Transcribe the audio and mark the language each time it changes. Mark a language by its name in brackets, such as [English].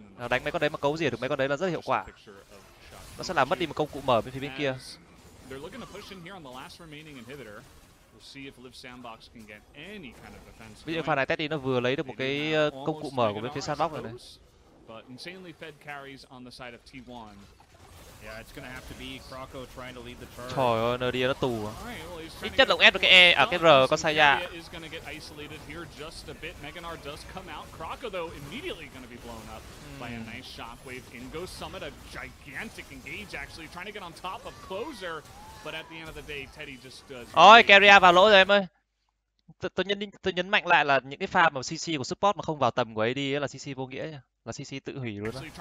[Vietnamese] Đánh mấy con đấy mà cấu gì được mấy con đấy là rất hiệu quả. Nó sẽ làm mất đi một công cụ mở bên phía bên kia. [English] They're looking to push in here on the last remaining inhibitor. We'll see if Liv Sandbox can get any kind of defense. [Vietnamese] Bây giờ pha này Teddy nó vừa lấy được một cái công cụ mở của bên phía Sandbox rồi này. [English] But insanely fed carries on the side of T1. Yeah, it's gonna have to be Krakko trying to lead the turn. [Vietnamese] Trời ơi, Nerdia nó tù. Ít nhất lộng ép được cái E, à cái R có sai dạ. [English] Is gonna get isolated here just a bit. Meganar does come out. Krakko though immediately gonna be blown up by a nice shockwave. In goes Summit, a gigantic engage actually trying to get on top of Closer, but at the end of the day Teddy just does. [Vietnamese] Ôi, Carrier vào lỗi rồi em ơi. Tôi nhấn mạnh lại là những cái pha mà CC của support mà không vào tầm của AD ấy là CC vô nghĩa nha. Là CC tự hủy luôn á.